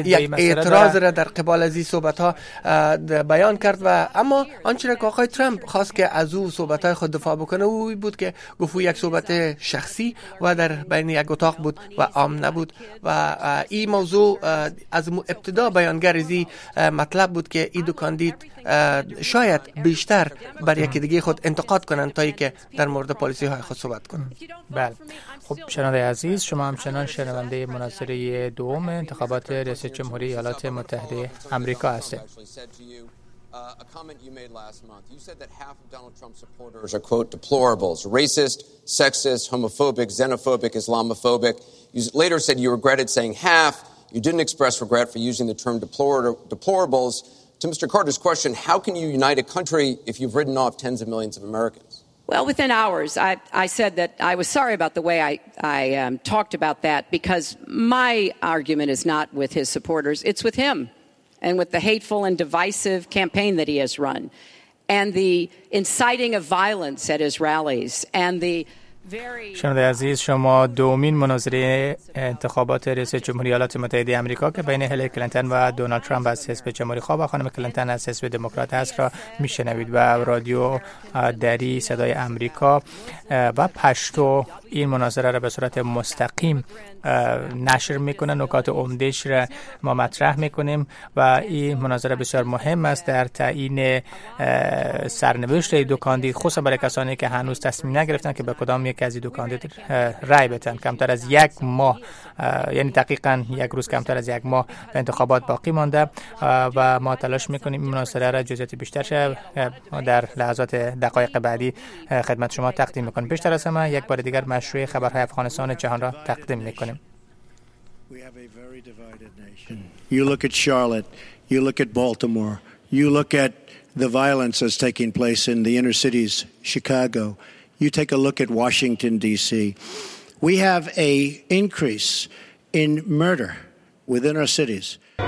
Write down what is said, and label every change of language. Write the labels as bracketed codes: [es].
[fa] یک اعتراض را در قبال از این صحبت ها بیان کرد. و اما آنچه را که آقای ترامپ خواست که از او صحبت های خود دفاع بکنه او بود که گفت یک صحبت شخصی و در بین یک اتاق بود و عام نبود و این موضوع از ابتدا بیانگر از این مطلب بود که این دو کاندید شاید بیشتر بر یکی دیگه خود انتقاد کنند تا اینکه در مورد پالیسی های خود صحبت کنند. بله. خب شنونده عزیز، شما همچنان شنونده مناظره دوم انتخابات ریاست جمهوری ایالات متحده آمریکا هستید. [en] A comment you made last month. You said that half of Donald Trump's supporters are, quote, deplorables, racist, sexist, homophobic, xenophobic, Islamophobic. You later said you regretted saying half. You didn't express regret for using the term deplorables. To Mr. Carter's question, how can you unite a country if you've written off tens of millions of Americans? Well, within hours, I said that I was sorry about the way I talked about that because my argument is not with his supporters. It's with him and with the hateful and divisive campaign that he has run and the inciting of violence at his rallies and the [fa] شنونده عزیز، شما دومین مناظره انتخابات رئیس جمهوری ایالات متحده آمریکا که بین هیلری کلینتون و دونالد ترامپ از حزب جمهوری خواه و خانم کلینتون از حزب دموکرات هست را میشنوید و رادیو دری صدای آمریکا و پشتو این مناظره را به صورت مستقیم نشر میکنه. نکات عمدهش را ما مطرح میکنیم و این مناظره بسیار مهم است در تعیین سرنوشت دو کاندید، خصوصا برای کسانی که هنوز تصمیم نگرفتن که به کدام یکی از دو کاندید رای بدن. کمتر از یک ماه، یعنی دقیقا یک روز کمتر از یک ماه به انتخابات باقی مانده و ما تلاش میکنیم این مناظره را جزئیات بیشتر در لحظات دقایق بعدی خدمت شما تقدیم میکنیم. بیشتر از همه یک بار دیگر مشروع خبرهای افغانستان جهان را تقدیم میکنیم. [en] We have a very divided nation. You look at Charlotte, you look at Baltimore, you look at the violence that's taking place in the inner cities, Chicago. You take a look at Washington, D.C. We have an increase in murder within our cities.